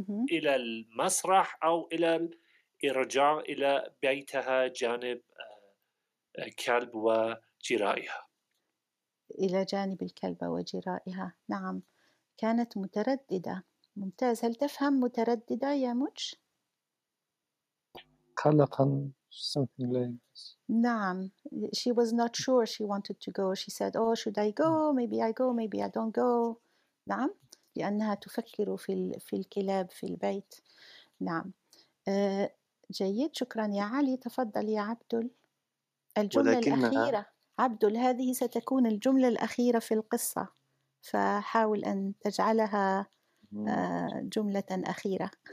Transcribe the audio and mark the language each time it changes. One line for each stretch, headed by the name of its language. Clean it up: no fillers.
Arabic: إلى المسرح أو إلى الرجاع إلى بيتها جانب كلب وجرائها. إلى جانب الكلب وجرائها، نعم كانت مترددة. ممتاز، هل تفهم مترددة يا موتش؟ قلقا،
English: something like this.
Arabic: نعم،
English: she was not sure she wanted to go. She said, oh, should I go? Maybe I go, maybe I don't go.
Arabic: نعم، لأنها تفكر في الكلاب في البيت. نعم، جيد، شكرا يا علي. تفضل يا عبدل. الجملة الأخيرة، عبدل، هذه ستكون الجملة الأخيرة في القصة، فحاول أن تجعلها جملة أخيرة.